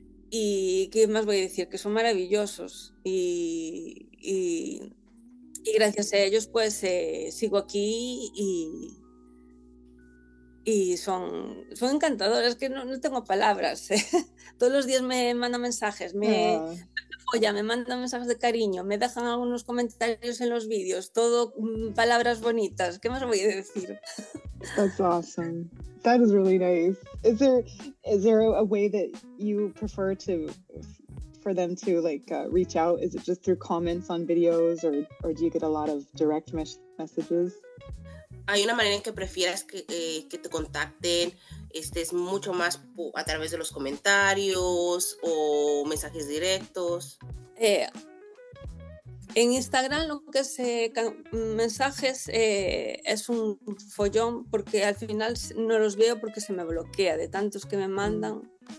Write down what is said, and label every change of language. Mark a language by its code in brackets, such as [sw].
[es] Y qué más voy a decir, que son maravillosos. Y gracias a ellos, pues sigo aquí y son encantadores, que no tengo palabras. Todos los días me mandan mensajes, me mandan mensajes de cariño, me dejan algunos comentarios en los vídeos, todo palabras bonitas. ¿Qué más voy a decir? [en] That's awesome. That is really nice. Is there a way that you prefer to for them to like reach out? Is it just through comments on videos or do you get a lot of direct messages? [es] Hay una manera en que prefieras que te contacten, es mucho más a través de los comentarios o mensajes directos. En Instagram lo que es mensajes es un follón, porque al final no los veo porque se me bloquea de tantos que me mandan.